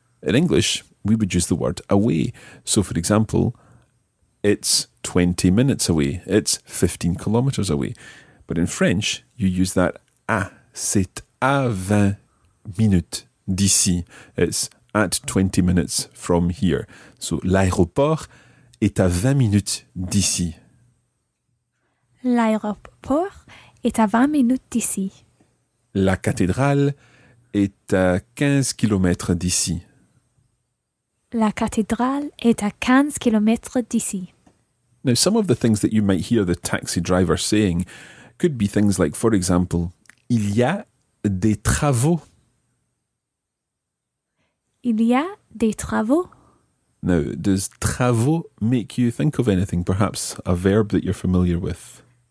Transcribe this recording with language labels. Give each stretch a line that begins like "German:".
English: In English, we would use the word away. So, for example, it's 20 minutes away. It's 15 kilometers away. But in French, you use that à.
French: C'est à 20 minutes d'ici.
English: It's at 20 minutes from here.
French: So, l'aéroport est à 20 minutes d'ici. L'aéroport est à 20 minutes d'ici. La cathédrale est à 15 kilomètres d'ici. La cathédrale est à 15 kilomètres d'ici.
English: Now, some of the things that you might hear the taxi driver saying could be things like, for example,
French: il y a des travaux. Il y a des travaux.
English: Now, does travaux make you think of anything? Perhaps a verb that you're familiar with?